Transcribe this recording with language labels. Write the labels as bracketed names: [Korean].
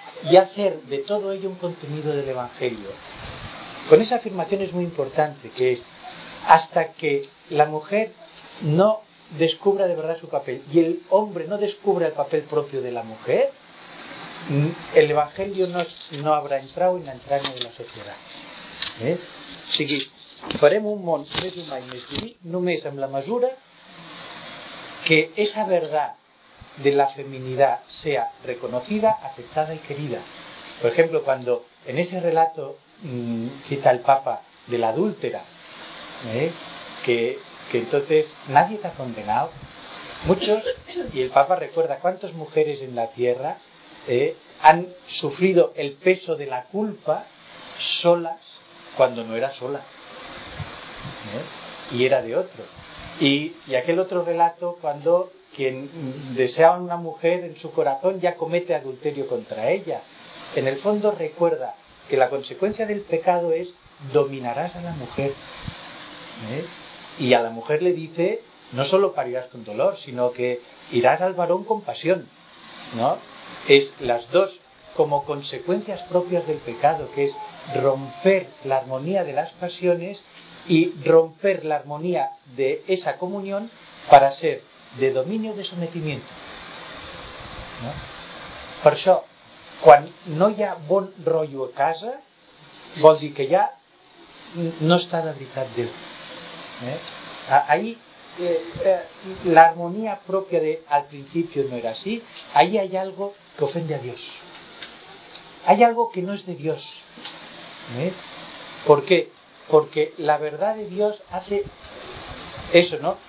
[Spanish] y hacer de todo ello un contenido del Evangelio. Con esa afirmación es muy importante, que es hasta que la mujer no descubra de verdad su papel y el hombre no descubra el papel propio de la mujer, el Evangelio no habrá entrado en la entraña de la sociedad. [Catalan] O sigui, farem un món més humà i més diví només amb la mesura que [Spanish] esa verdad de la feminidad sea reconocida, aceptada y querida. Por ejemplo, cuando en ese relato cita el Papa de la adúltera, que entonces nadie te ha condenado, muchos, y el Papa recuerda cuántas mujeres en la tierra han sufrido el peso de la culpa solas, cuando no era sola, y era de otro. Y aquel otro relato, cuando quien desea a una mujer en su corazón ya comete adulterio contra ella. En el fondo recuerda que la consecuencia del pecado es dominarás a la mujer. Y a la mujer le dice, no solo parirás con dolor, sino que irás al varón con pasión. ¿No? Es las dos como consecuencias propias del pecado, que es romper la armonía de las pasiones y romper la armonía de esa comunión para ser de dominio o de sometimiento. ¿No? [Catalan] Per això, quan no hi ha bon rotllo a casa, vol dir que ja no està de veritat Déu. [Spanish] Ahí la armonía propia de al principio no era así, ahí hay algo que ofende a Dios. Hay algo que no es de Dios. ¿Por qué? Porque la verdad de Dios hace eso, ¿no?